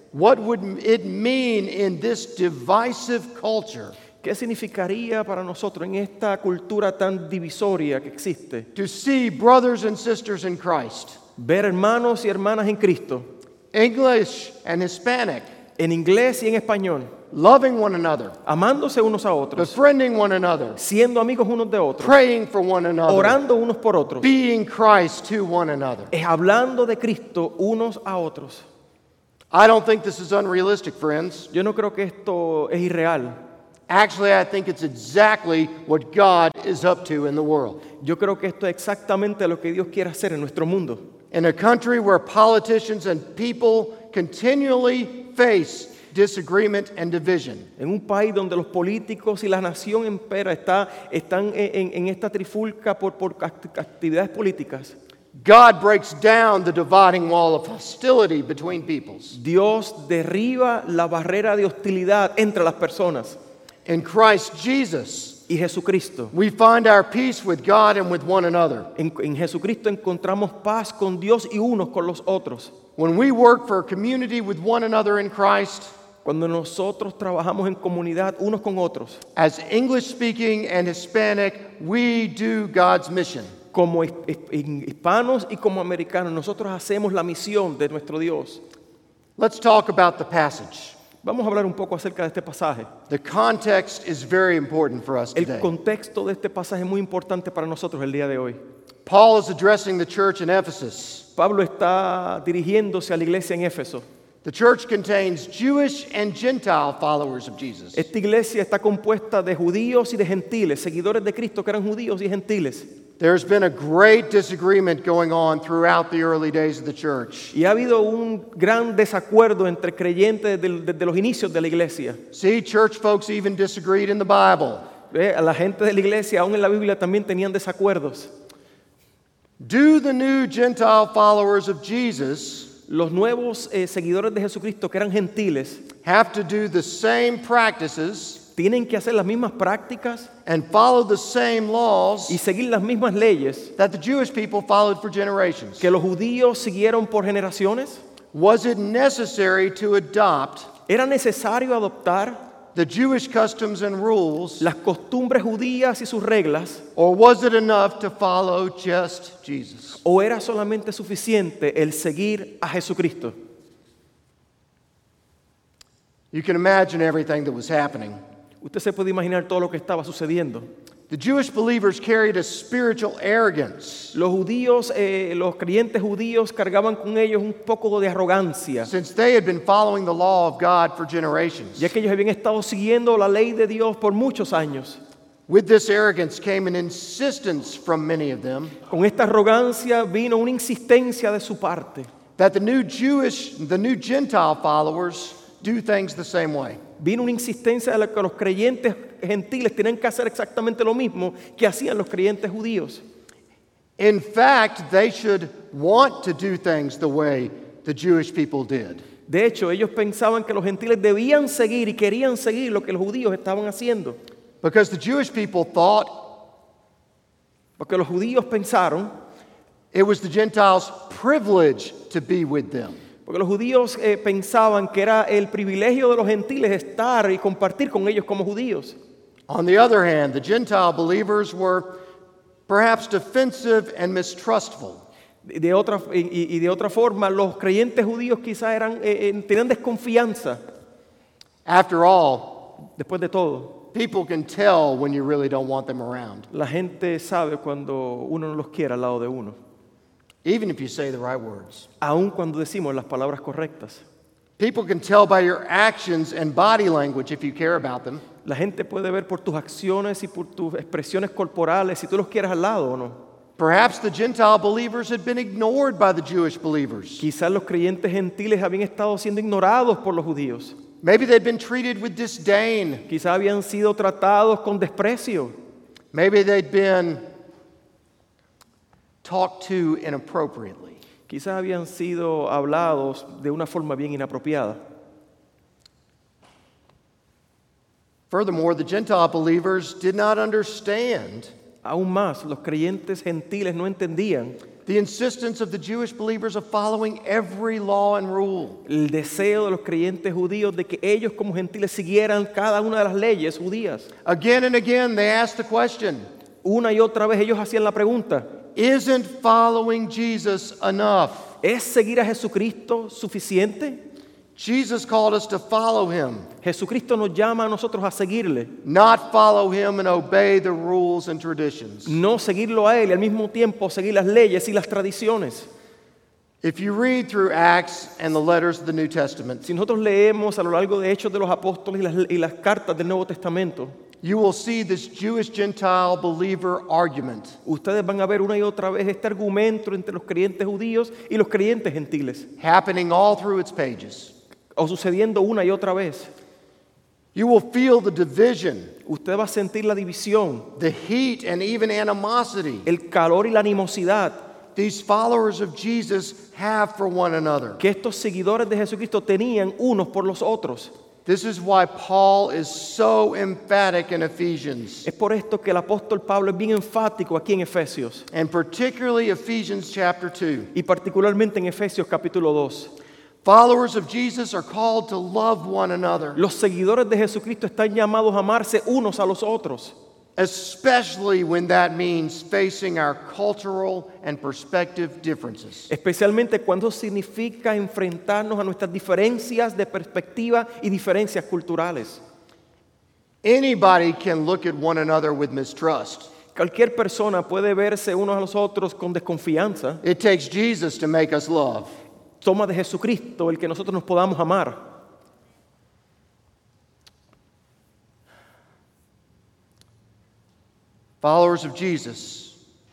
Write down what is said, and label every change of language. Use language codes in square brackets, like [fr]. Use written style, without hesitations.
[en] What would it mean in this divisive culture? [es] ¿Qué significaría para nosotros en esta cultura tan divisoria que existe? [en] To see brothers and sisters in Christ. [es] Ver hermanos y hermanas en Cristo. [en] English and Hispanic. [es] En inglés y en español. [en] Loving one another. [es] Amándose unos a otros. [en] Befriending one another. [es] Siendo amigos unos de otros. [en] Praying for one another. [es] Orando unos por otros. [en] Being Christ to one another. [es] Es hablando de Cristo unos a otros. [en] I don't think this is unrealistic, friends. [es] Yo no creo que esto es irreal. [en] Actually, I think it's exactly what God is up to in the world. [es] Yo creo que esto es exactamente lo que Dios quiere hacer en nuestro mundo. [en] In a country where politicians and people continually face disagreement and division. [es] En un país donde los políticos y la nación entera están en esta trifulca por actividades políticas. [en] God breaks down the dividing wall of hostility between peoples. [es] Dios derriba la barrera de hostilidad entre las personas. [en] In Christ Jesus. [es] Y Jesucristo. [en] We find our peace with God and with one another. [es] En Jesucristo encontramos paz con Dios y unos con los otros. [en] When we work for a community with one another in Christ, [es] cuando nosotros trabajamos en comunidad unos con otros, [en] as English speaking and Hispanic, we do God's mission. [es] Como hispanos y como americanos, nosotros hacemos la misión de nuestro Dios. [en] Let's talk about the passage. [es] Vamos a hablar un poco acerca de este pasaje. [en] The context is very important for us today. [es] El contexto de este pasaje es muy importante para nosotros el día de hoy. [en] Paul is addressing the church in Ephesus. [es] Pablo está dirigiéndose a la iglesia en Éfeso. [en] The church contains Jewish and Gentile followers of Jesus. [es] Esta iglesia está compuesta de judíos y de gentiles, seguidores de Cristo que eran judíos y gentiles. [en] There's been a great disagreement going on throughout the early days of the church. [es] Y ha habido un gran desacuerdo entre creyentes desde los inicios de la iglesia. [en] See, church folks even disagreed in the Bible. [es] La gente de la iglesia, aún en la Biblia, también tenían desacuerdos. [en] Do the new Gentile followers of Jesus, [es] los nuevos seguidores de Jesucristo que eran gentiles, [en] have to do the same practices? [es] Tienen que hacer las mismas prácticas [en] and follow the same laws [es] y seguir las mismas leyes [en] that the Jewish people followed for generations. [es] Que los judíos siguieron por generaciones. [en] Was it necessary to adopt? [es] Era necesario adoptar [en] the Jewish customs and rules, [es] las costumbres judías y sus reglas, [en] or was it enough to follow just Jesus? [es] O era solamente suficiente el seguir a Jesucristo. [en] You can imagine everything that was happening. [es] Usted se puede imaginar todo lo que estaba sucediendo. [en] The Jewish believers carried a spiritual arrogance. [es] Los judíos, los creyentes judíos cargaban con ellos un poco de arrogancia. [en] Since they had been following the law of God for generations. [es] Ya que ellos habían estado siguiendo la ley de Dios por muchos años. [en] With this arrogance came an insistence from many of them. [es] Con esta arrogancia vino una insistencia de su parte. [en] That the new Gentile followers do things the same way. [es] Vino una insistencia de que los creyentes gentiles tienen que hacer exactamente lo mismo que hacían los creyentes judíos. [en] In fact, they should want to do things the way the Jewish people did. [es] De hecho, ellos pensaban que los gentiles debían seguir y querían seguir lo que los judíos estaban haciendo. [en] Because the Jewish people thought, [es] porque los judíos pensaron, [en] it was the Gentiles' privilege to be with them. [es] Porque los judíos pensaban que era el privilegio de los gentiles estar y compartir con ellos como judíos. [en] On the other hand, the Gentile believers were perhaps defensive and mistrustful. [es] De otra forma, los creyentes judíos quizás eran tenían desconfianza. [en] After all, [es] después de todo, [en] people can tell when you really don't want them around. [es] La gente sabe cuando uno no los quiere al lado de uno. [en] Even if you say the right words. [es] Aun cuando decimos las palabras correctas. [en] People can tell by your actions and body language if you care about them. [es] La gente puede ver por tus acciones y por tus expresiones corporales si tú los quieres al lado o no. [en] Perhaps the Gentile believers had been ignored by the Jewish believers. [es] Quizás los creyentes gentiles habían estado siendo ignorados por los judíos. [en] Maybe they'd been treated with disdain. [es] Quizás habían sido tratados con desprecio. [en] Maybe they'd been talked to inappropriately. [es] Quizás habían sido hablados de una forma bien inapropiada. [en] Furthermore, the Gentile believers did not understand. [es] Aún más, los creyentes gentiles no entendían [en] the insistence of the Jewish believers of following every law and rule. [es] El deseo de los creyentes judíos de que ellos como gentiles siguieran cada una de las leyes judías. [en] Again and again they asked the question. [es] Una y otra vez ellos hacían la pregunta. [en] Isn't following Jesus enough? [es] ¿Es seguir a Jesucristo suficiente? [en] Jesus called us to follow him. [es] Jesucristo nos llama a nosotros a seguirle. [en] Not follow him and obey the rules and traditions. [es] No seguirlo a él y al mismo tiempo seguir las leyes y las tradiciones. [en] If you read through Acts and the letters of the New Testament, [es] si nosotros leemos a lo largo de Hechos de los Apóstoles y las cartas del Nuevo Testamento, [en] you will see this Jewish Gentile believer argument. [es] Ustedes van a ver una y otra vez este argumento entre los creyentes judíos y los creyentes gentiles. [en] Happening all through its pages. [es] O sucediendo una y otra vez. [en] You will feel the division. [es] Usted va a sentir la división. [en] The heat and even animosity. [es] El calor y la animosidad. [en] These followers of Jesus have for one another. [es] Que estos seguidores de Jesucristo tenían unos por los otros. [en] This is why Paul is so emphatic in Ephesians. [es] Es por esto que el apóstol Pablo es bien enfático aquí en Efesios. [en] And particularly Ephesians chapter 2. [es] Y particularmente en Efesios capítulo 2. [en] Followers of Jesus are called to love one another. [es] Los seguidores de Jesucristo están llamados a amarse unos a los otros. [en] Especially when that means facing our cultural and perspective differences. [es] Especialmente cuando significa enfrentarnos a nuestras diferencias de perspectiva y diferencias culturales. [en] Anybody can look at one another with mistrust. [es] Cualquier persona puede verse unos a los otros con desconfianza. [en] It takes Jesus to make us love. [es] Toma de Jesucristo el que nosotros nos podamos amar. [en] Followers of Jesus,